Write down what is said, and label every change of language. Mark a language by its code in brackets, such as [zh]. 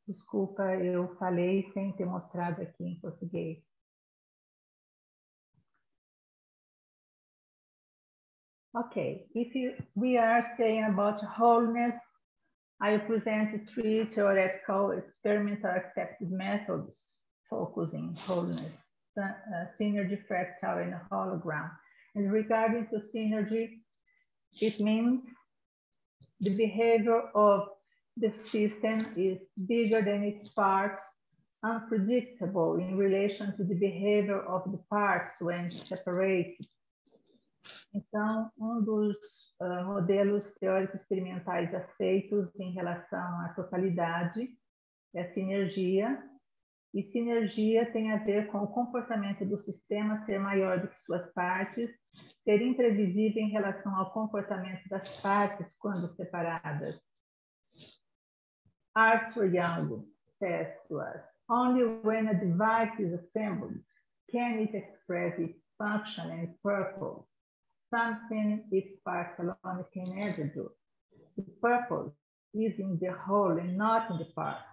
[pt] Desculpa, eu falei sem ter mostrado aqui em português. [en] Okay, if we are saying about wholeness, I present three theoretical experimental accepted methods focusing wholeness, synergy, fractal, and hologram. And regarding to synergy, it means the behavior of the system is bigger than its parts, unpredictable in relation to the behavior of the parts when separated. [pt] Então, um dos modelos teórico-experimentais aceitos em relação à totalidade é a sinergia. E sinergia tem a ver com o comportamento do sistema ser maior do que suas partes, ser imprevisível em relação ao comportamento das partes quando separadas. [en] Arthur Young says to us, only when a device is assembled can it express its function and purpose. Something is part alone can ever do. The purpose is in the whole and not in the part.